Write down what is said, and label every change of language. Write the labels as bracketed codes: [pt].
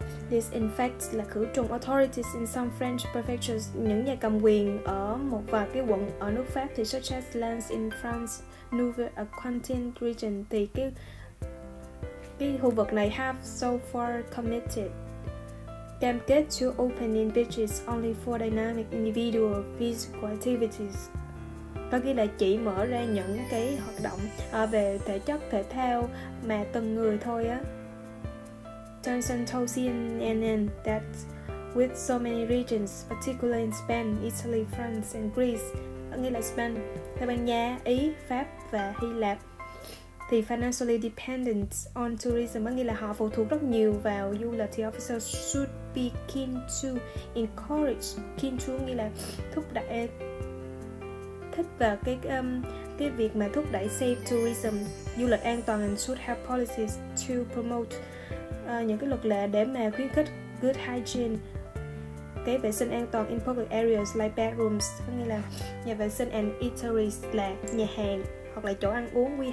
[en] Disinfect là khử trùng. Authorities in some French prefectures, [vi] những nhà cầm quyền ở một vài cái quận ở nước Pháp, thì [en] such as Lens in France, Nouvelle-Aquitaine region, [vi] thì cái khu vực này [en] have so far committed, [vi] cam kết [en] to opening beaches only for dynamic individual physical activities. [vi] có nghĩa là chỉ mở ra những cái hoạt động về thể chất, thể thao mà từng người thôi á. [en] Johnson told CNN that with so many regions, particularly in Spain, Italy, France and Greece, [vi] có nghĩa là [en] Spain, [vi] Tây Ban Nha, Ý, Pháp và Hy Lạp, [en] the financially dependent on tourism, [vi] có nghĩa là họ phụ thuộc rất nhiều vào du lịch, [en] the officer should be keen to encourage, keen to [vi] nghĩa là thúc đẩy, thích vào cái việc mà thúc đẩy [en] safe tourism, [vi] du lịch an toàn, [en] and should have policies to promote [vi] những cái luật lệ để mà khuyến khích [en] good hygiene, [vi] cái vệ sinh an toàn [en] in public areas like bathrooms, [vi] có nghĩa là nhà vệ sinh, [en] and eateries [vi] là nhà hàng hoặc là chỗ ăn uống.